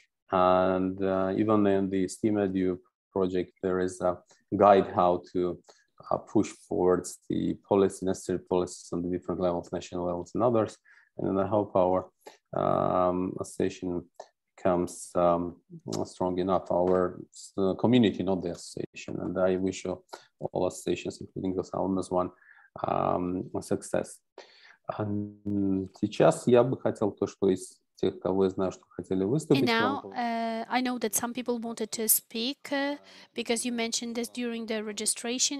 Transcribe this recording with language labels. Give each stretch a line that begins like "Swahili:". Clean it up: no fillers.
English: And even in the STEAM Edu project, there is a guide how to push forward the policy, necessary policies on the different levels, national levels and others. And I hope our association becomes strong enough, our community, not the association. And I wish all associations, including the Salamis one, success.
Russian: And сейчас я бы хотел то, что из тех, кого я знаю, что хотели выступить.
English: And now, I know that some people wanted to speak because you mentioned this during the registration.